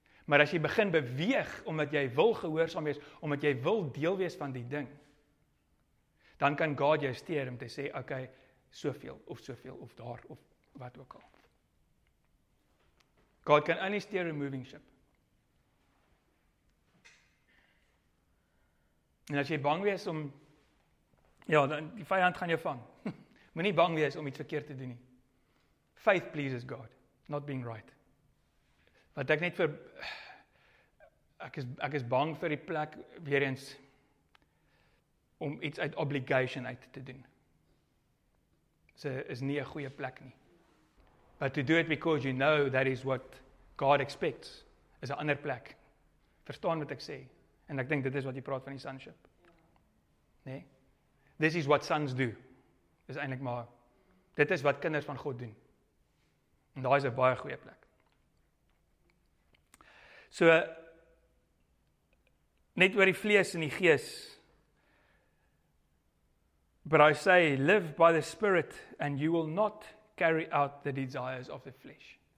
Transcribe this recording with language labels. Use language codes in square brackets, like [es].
[af] Maar as jy begin beweeg, omdat jy wil gehoorsaam wees, omdat jy wil deel wees van die ding, dan kan God jou steer om te sê, okay, soveel, of daar, of wat ook al. [en] God can only steer a moving ship. [af] En as jy bang wees om, ja, dan die vijand gaan jou vang. Moet nie bang wees om iets verkeerd te doen nie. [en] Faith pleases God, not being right. [af] Wat ek net vir, ek is bang vir die plek, weer eens, om iets uit obligation uit te doen. So is nie 'n goeie plek nie. [en] But to do it because you know that is what God expects, [af] is 'n ander plek. Verstaan wat ek sê? En ek dink dit is wat jy praat van die sonship. Nee. [en] This is what sons do. [af] Is eintlik maar dit is wat kinders van God doen. En daai is 'n baie goeie plek. So net oor die vlees en die gees. [en] But I say, live by the Spirit and you will not carry out the desires of the flesh.